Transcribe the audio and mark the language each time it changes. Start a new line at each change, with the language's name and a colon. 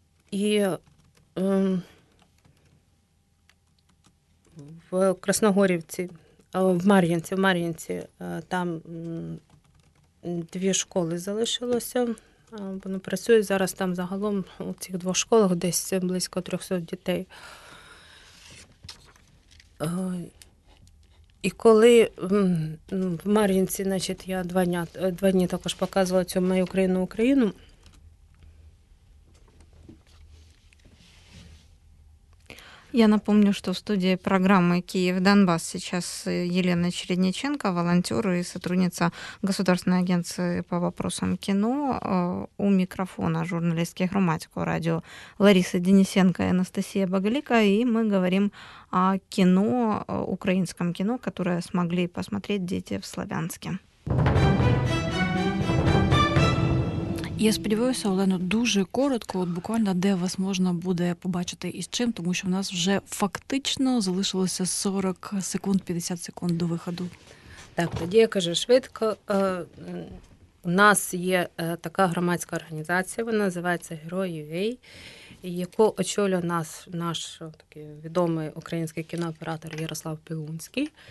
Ukrainian: І в Красногорівці, в Мар'їнці, там дві школи залишилося, воно працює зараз там загалом у цих двох школах десь близько 300 дітей. І коли в Мар'їнці, значить, я два дні також показувала цю «Мою Україну, Україну».
Russian: Я напомню, что в студии программы «Киев-Донбасс» сейчас Елена Чередниченко, волонтер и сотрудница Государственной агенции по вопросам кино. У микрофона журналистки «Громадського радио» Лариса Денисенко и Анастасия Багалика. И мы говорим о кино, украинском кино, которое смогли посмотреть дети в Славянске.
Ukrainian: Я сподіваюся, Олено, дуже коротко, от буквально, де вас можна буде побачити і з чим, тому що в нас вже фактично залишилося 40 секунд, 50 секунд до виходу. Так, тоді я кажу швидко. У нас є така громадська організація, вона називається «Герої.UA», яку очолює наш такий відомий український кінооператор Ярослав Пілунський.